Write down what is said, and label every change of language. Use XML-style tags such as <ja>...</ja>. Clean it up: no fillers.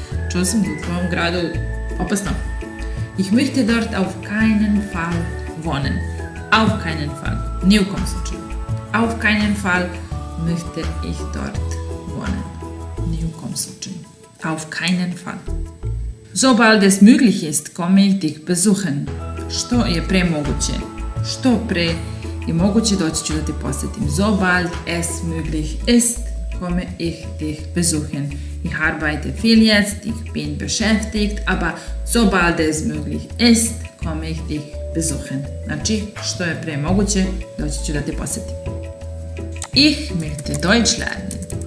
<sr>Čuo sam da u tvojom gradu opasno.</sr> <de>Ich möchte dort auf keinen Fall wohnen. Auf keinen Fall.</de> <sr>Ni u kom slučaju.</sr> <de>Auf keinen Fall möchte ich dort wohnen.</de> <sr>Ni u kom slučaju.</sr> <de>Auf keinen Fall. Sobald es möglich ist, komme ich dich besuchen.</de> <sr>Što je pre moguće? Što pre je moguće, doći ću da te posjetim.</sr> <de>Sobald es möglich ist, komme ich dich besuchen. Ich arbeite viel jetzt, ich bin beschäftigt, aber sobald es möglich ist, komme ich dich besuchen.</de> <sr>Znači, što je pre moguće, doći ću da te posjetim.</sr> <de>Ich möchte Deutsch lernen.</de>